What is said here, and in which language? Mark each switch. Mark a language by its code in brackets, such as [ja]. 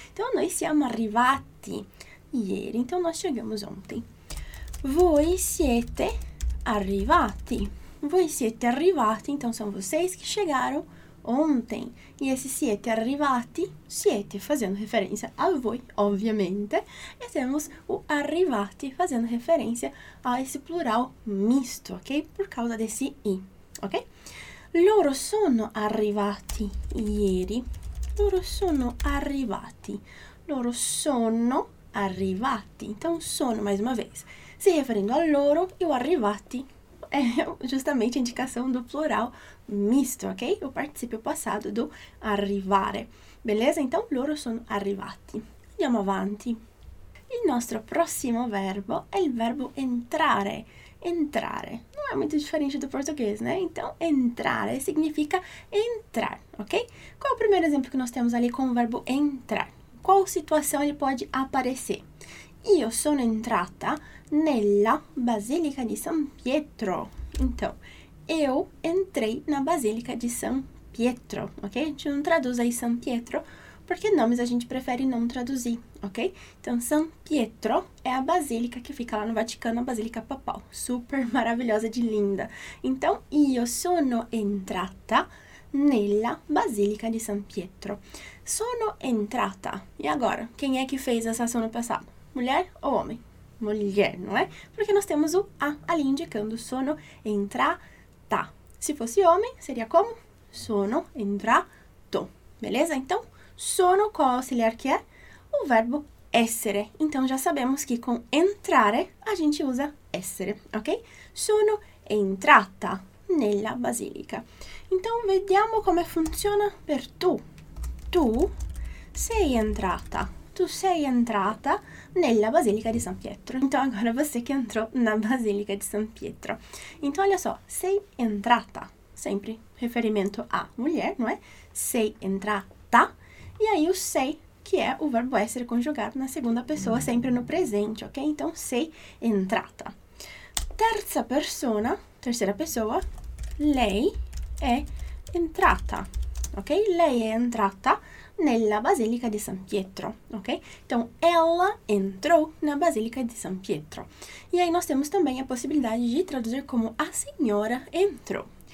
[it] Então, noi siamo arrivati ieri. [pt] Então, nós chegamos ontem. [it] Voi siete arrivati. Voi siete arrivati, [pt] então são vocês que chegaram ontem. E esse siete arrivati, siete fazendo referência a voi, obviamente. E temos o arrivati fazendo referência a esse plural misto, ok? Por causa desse i, ok? [it] Loro sono arrivati ieri. Loro sono arrivati. Loro sono arrivati. [pt] Então, sono, mais uma vez, se referindo a loro e o arrivati. É justamente a indicação do plural misto, ok? O participio passado do arrivare. Beleza? [it] Então, loro sono arrivati. Andiamo avanti. Il nostro prossimo verbo è il verbo entrare. Entrare. Non è molto differente [pt] do português, né? Então, entrare significa entrar, ok? [it] Qual è il primo esempio che [pt] nós temos ali com o verbo entrar? Qual situação ele pode aparecer? [it] Io sono entrata nella Basilica di San Pietro. [pt] Então, eu entrei na Basílica de São Pietro, ok? A gente não traduz aí São Pietro, porque nomes a gente prefere não traduzir, ok? Então, São Pietro é a basílica que fica lá no Vaticano, a Basílica Papal. Super maravilhosa de linda. [it] Então, io sono entrata nella Basílica de São Pietro. Sono entrata. [pt] E agora, quem é que fez essa ação no passado? Mulher ou homem? Mulher, não é? Porque nós temos o a ali indicando sono entrata. Se fosse homem, seria como? Sono entrato. Beleza? Então, sono qual auxiliar que é? O verbo essere. Então, já sabemos que com entrare a gente usa essere, ok? [it] Sono entrata nella basilica. Então, vediamo come funziona per tu. Tu sei entrata. Tu sei entrata nella Basilica di San Pietro. [pt] Então, agora você que entrou na Basilica di San Pietro. Então, olha só, sei entrata. Sempre referimento à mulher, não é? Sei entrata. E aí, o sei, que que é o verbo ser conjugado na segunda pessoa, sempre no presente, ok? Então, sei entrata. [it] Terza persona, [pt] terceira pessoa, [it] lei è entrata, ok? Lei è entrata nella Basilica di San Pietro, ok? [pt] Então, ela entrou na Basilica di San Pietro. E aí nós temos também a possibilidade de traduzir como a senhora entrou.